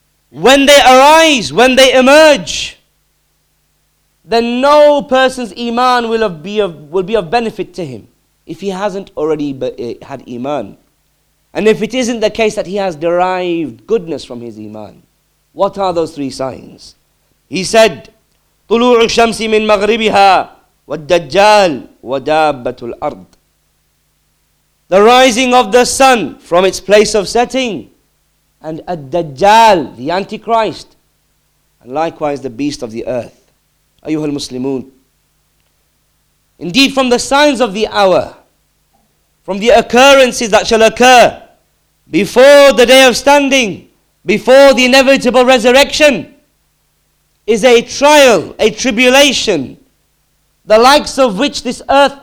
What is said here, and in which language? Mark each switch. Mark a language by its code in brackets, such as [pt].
[en] When they arise, when they emerge, then no person's iman will be of benefit to him if he hasn't already had iman. And if it isn't the case that he has derived goodness from his iman, what are those three signs? He said, [ar] طلوع الشمس من مغربها والدجال ودابة الأرض. [en] The rising of the sun from its place of setting, and الدجال, the Antichrist, and likewise the beast of the earth. [ar] أيها المسلمون. [en] Indeed, from the signs of the hour, from the occurrences that shall occur before the day of standing, before the inevitable resurrection, is a trial, a tribulation, the likes of which this earth